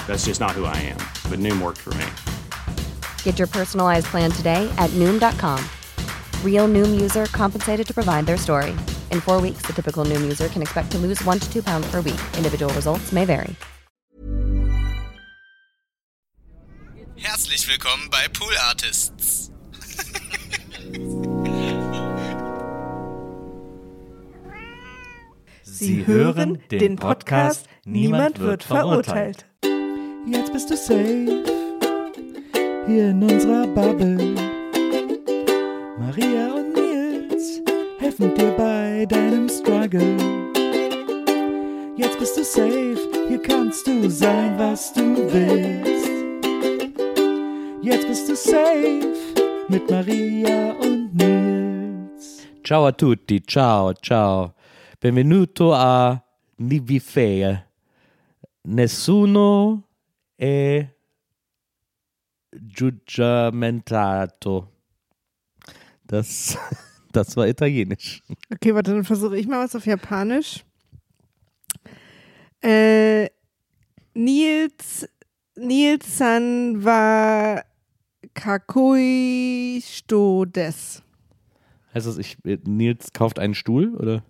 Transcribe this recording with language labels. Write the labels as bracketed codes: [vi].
[en] That's just not who I am. But Noom worked for me. Get your personalized plan today at Noom.com. Real Noom user compensated to provide their story. In 4 weeks, the typical Noom user can expect to lose 1 to 2 pounds per week. Individual results may vary. [de] Herzlich willkommen bei Pool Artists. Sie hören den Podcast Niemand wird verurteilt. Jetzt bist du safe, hier in unserer Bubble. Maria und Nils helfen dir bei deinem Struggle. Jetzt bist du safe, hier kannst du sein, was du willst. Jetzt bist du safe mit Maria und Nils. [it] Ciao a tutti, ciao, ciao. Benvenuto a Nivifee. Nessuno è giudgamentato. [de] Das war Italienisch. Okay, warte, dann versuche ich mal was auf Japanisch. [ja] Nils-san wa kakoi shito desu. [de] Heißt das, Nils kauft einen Stuhl, oder?